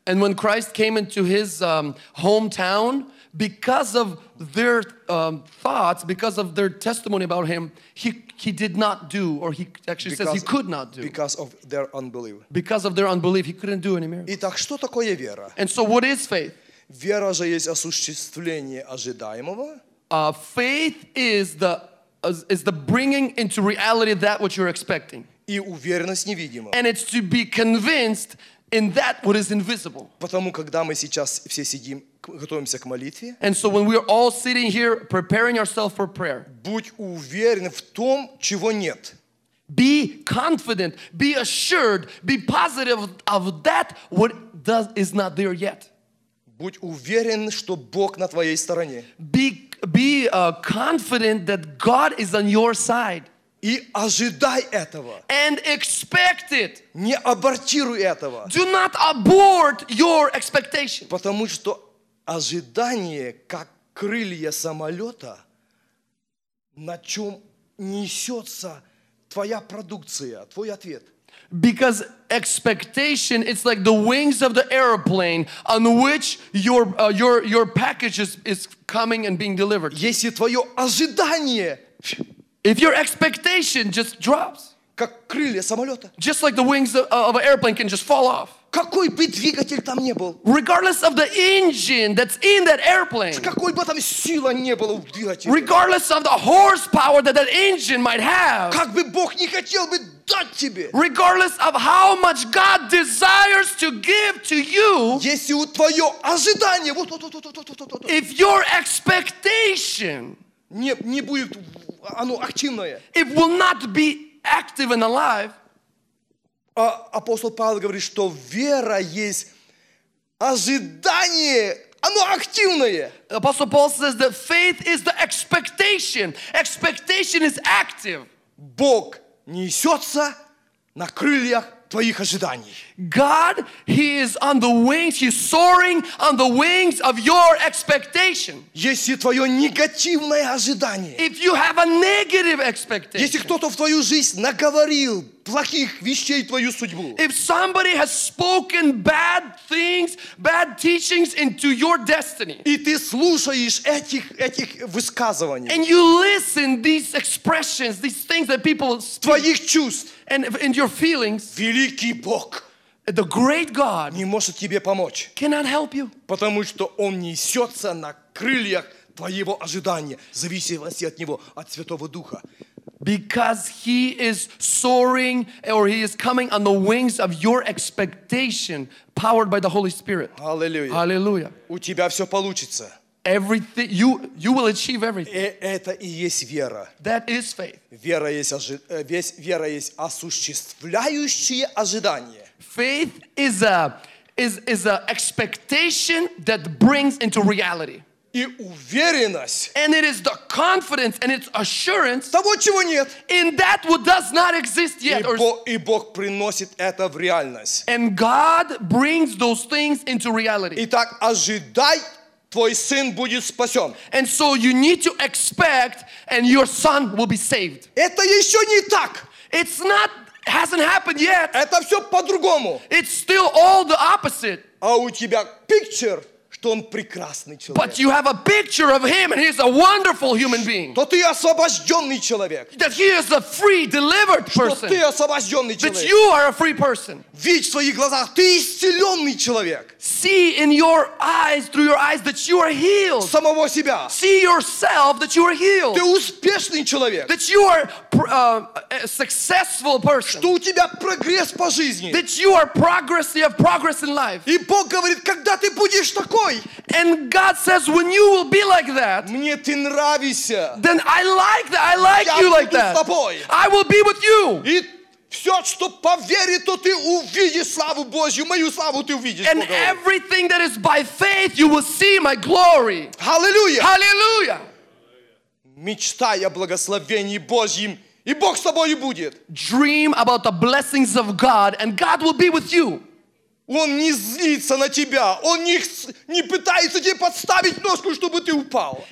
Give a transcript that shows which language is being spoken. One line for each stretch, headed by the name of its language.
English: And when Christ came into his hometown, because of their thoughts, because of their testimony about him, he did not do, or he actually says he could not do. Because of their unbelief. Because of their unbelief, he couldn't do any miracle.
Russian: Итак, что такое вера?
English: And so what is faith?
Russian: Вера же есть осуществление ожидаемого.
English: Faith is the bringing into reality that which you're expecting.
Russian: И уверенность невидима.
English: And it's to be convinced in that what is invisible.
Russian: Потому когда мы сейчас все сидим, готовимся к молитве.
English: And so when we are all sitting here preparing ourselves for prayer.
Russian: Будь уверен в том, чего нет.
English: Be confident, be assured, be positive of that what is not there yet.
Russian: Будь уверен, что Бог на твоей стороне.
English: Be confident that God is on your side.
Russian: И ожидай этого.
English: And expect it.
Russian: Не абортируй этого.
English: Do not abort your expectation.
Russian: Потому что ожидание, как крылья самолета, на чем несется твоя продукция, твой ответ.
English: Because expectation, it's like the wings of the airplane on which your package is coming and being delivered.
Russian: Если твоё ожидание,
English: if your expectation just drops,
Russian: как крылья самолёта,
English: just like the wings of an airplane can just fall off.
Russian: Какой бы двигатель там не был.
English: Regardless of the engine that's in that airplane.
Russian: Какой бы там сила не было в двигателе.
English: Regardless of the horsepower that engine might have.
Russian: Как бы Бог не хотел бы дать тебе.
English: Regardless of how much God desires to give to you.
Russian: Если у твоё ожидание вот вот вот вот вот вот вот.
English: If your expectation
Russian: не будет оно активное.
English: It will not be active and alive.
Russian: Апостол Павел говорит, что вера есть ожидание, оно активное.
English: Apostle Paul says that faith is the expectation. Expectation is active.
Russian: Бог несется на крыльях твоих ожиданий.
English: God, he is on the wings, he's soaring on the wings of your expectation.
Russian: Если твое негативное ожидание.
English: If you have a negative expectation.
Russian: Если кто-то в твою жизнь наговорил плохих вещей твою судьбу.
English: If somebody has spoken bad things, bad teachings into your destiny.
Russian: И ты слушаешь этих высказываний.
English: And you listen these expressions, these things that people speak.
Russian: Твоих чувств.
English: And your feelings.
Russian: Великий Бог.
English: The great God.
Russian: Не может тебе помочь.
English: Cannot help you.
Russian: Потому что он несется на крыльях твоего ожидания, зависимости от него, от Святого Духа.
English: Because he is soaring or he is coming on the wings of your expectation powered by the Holy Spirit. Hallelujah. Hallelujah.
Russian: У тебя всё получится.
English: Everything you will achieve everything.
Russian: Это и есть вера.
English: That is faith.
Russian: Вера есть осуществляющее ожидание.
English: Faith is a expectation that brings into reality.
Russian: И уверенность.
English: And it is the confidence and it's assurance.
Russian: Того, чего нет.
English: In that what does not exist yet.
Russian: И Бог приносит это в реальность.
English: And God brings those things into reality.
Russian: Итак, ожидай, твой сын будет спасен.
English: And so you need to expect and your son will be saved.
Russian: Это еще не так.
English: It's not, hasn't happened yet.
Russian: Это все по-другому.
English: It's still all the opposite.
Russian: А у тебя picture. Что он прекрасный человек.
English: But you have a picture of him and he is a wonderful human being.
Russian: Что ты освобожденный человек.
English: That he is a free, delivered person.
Russian: Что ты освобожденный человек.
English: That you are a free person.
Russian: Видь в своих глазах, ты исцеленный человек.
English: See in your eyes, through your eyes, that you are healed.
Russian: Самого себя.
English: See yourself, that you are healed.
Russian: Ты успешный человек.
English: That you are a successful person.
Russian: Что у тебя прогресс по жизни.
English: That you are progress, you have progress in life.
Russian: И Бог говорит, когда ты будешь такой.
English: And God says, when you will be like that,
Russian: мне ты нравишься.
English: Then I like that. I like
Russian: я
English: you like that.
Russian: Тобой.
English: I will be with you.
Russian: И все, что по вере, то ты увидишь славу Божью, мою славу ты увидишь.
English: And everything that is by faith, you will see my glory. Hallelujah. Hallelujah.
Russian: Мечтай о благословении Божьем, и Бог с тобой будет.
English: Dream about the blessings of God, and God will be with you.
Russian: Он не злится на тебя. Он не пытается тебе подставить ножку, чтобы ты упал.